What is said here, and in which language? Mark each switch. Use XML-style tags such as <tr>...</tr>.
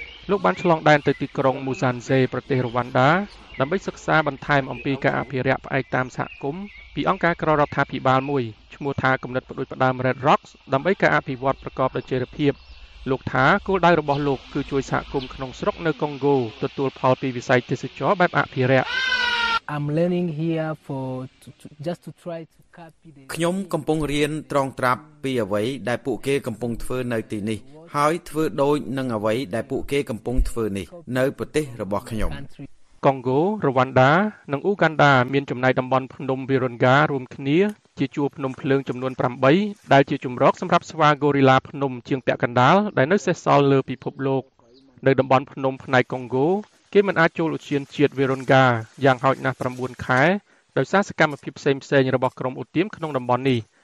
<km>លោកបានឆ្លងដែនទៅទីក្រុងមូសាន់ហ្សេប្រទេសរវ៉ាន់ដាដើម្បីសិក្សាបន្ថែមអំពីការអភិរក្សផ្នែកតាមសហគមន៍ពីអង្គការក្រៅរដ្ឋាភិបាលមួយឈ្មោះថាគណៈបដិបត្តិ Red Rocks ដើម្បីការអភិវឌ្ឍប្រកបដោយចីរភាពលោកថាគោលដៅរបស់លោកគឺជួយសហគមន៍ក្នុងស្រុកនៅកុងហ្គោទទួលផលពីវិស័យទេសចរបែបអភិរក្ស</km> <en>I'm learning here for just to try to copy the</en> <km>ខ្ញុំកំពុងរៀនត្រងត្រាប់ពីអ្វីដែលពួកគេកំពុងធ្វើនៅទីនេះហើយធ្វើដូចនឹងអ្វីដែលពួកគេកំពុងធ្វើនេះនៅប្រទេសរបស់ខ្ញុំ កុងហ្គោរវ៉ាន់ដានិងអូហ្គាន់ដាមានចំណែកតំបន់ភ្នំវីរុនហ្គារួមគ្នាជាជួរភ្នំភ្លើងចំនួន8ដែលជាជំរកសម្រាប់ស្វាហ្គូរីឡាភ្នំជាងពាក់កណ្ដាលដែលនៅសេសសល់លើពិភពលោកនៅតំបន់ភ្នំផ្នែកកុងហ្គោគេមិនអាចចូលឧទ្យានជាតិវីរុនហ្គាយ៉ាងហោចណាស់9ខែដោយសារសកម្មភាពផ្សេងៗរបស់ក្រុមឧទ្យានក្នុងតំបន់នេះ</km>